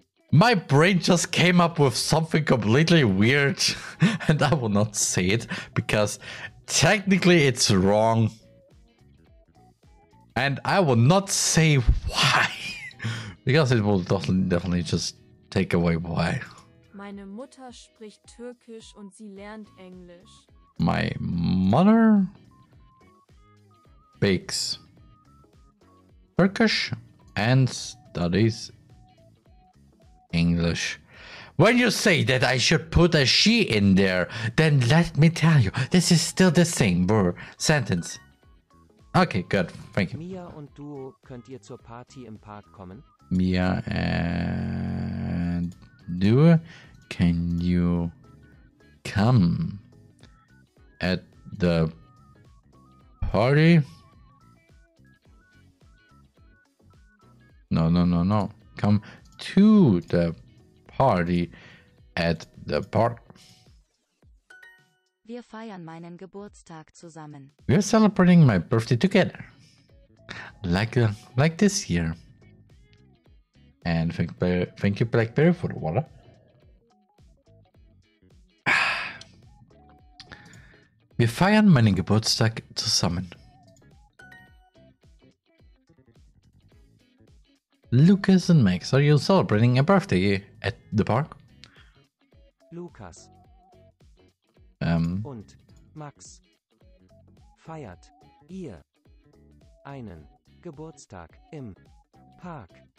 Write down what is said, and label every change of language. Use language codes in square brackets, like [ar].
[en] My brain just came up with something completely weird, and I will not say it because technically it's wrong. And I will not say why. Because it will definitely just take away why. [de] Meine Mutter spricht Türkisch und sie lernt Englisch. [en] My mother speaks Turkish and studies English. When you say that I should put a she in there, then let me tell you, this is still the same sentence. Okay, good. Thank you. [de] Mia und du könnt ihr zur Party im Park kommen? [en] Mia and du, can you come at the party? No. Come to the party at the park. [de] Wir feiern meinen Geburtstag zusammen. [en] We're celebrating my birthday together. Like this year. And thank you, Blackberry, for the water. [de] Wir feiern meinen Geburtstag zusammen. [en] Lucas and Max, are you celebrating a birthday at the park? Lucas. [de] Und Max, feiert ihr einen Geburtstag im Park?